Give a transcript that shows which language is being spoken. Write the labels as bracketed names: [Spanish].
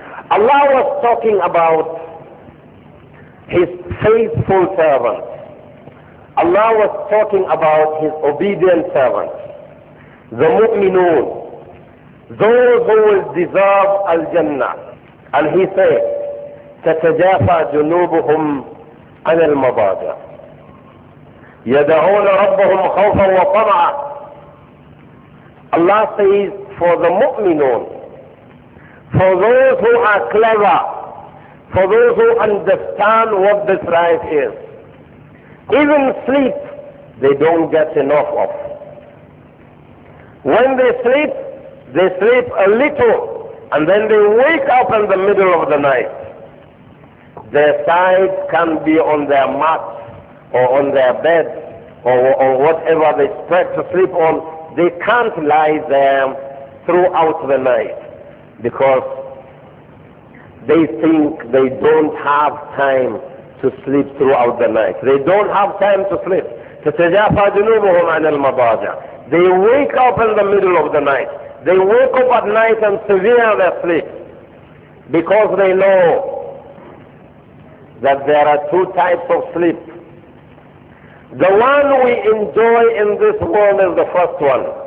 [English] Allah was talking about his faithful servants. A Allah was talking about His obedient servants, the mu'minun, those who will deserve al-jannah. And He said, [Arabic] تَتَجَافَى جُنُوبُهُمْ عَنِ الْمَضَاجِعِ يَدَعُونَ رَبَّهُمْ خَوْفًا وَطَمَعًا. [English] Allah says, for the mu'minun, for those who are clever, for those who understand what this life is, even sleep, they don't get enough of. When they sleep a little, and then they wake up in the middle of the night. Their sides can be on their mats, or on their bed, or whatever they spread to sleep on. They can't lie there throughout the night, because they think they don't have time to sleep throughout the night. They don't have time to sleep. [Arabic] تَتَجَافَى جُنُوبُهُمْ عَنِ الْمَضَاجِعِ. [English] They wake up in the middle of the night. They wake up at night and severe their sleep, because they know that there are two types of sleep. The one we enjoy in this world is the first one.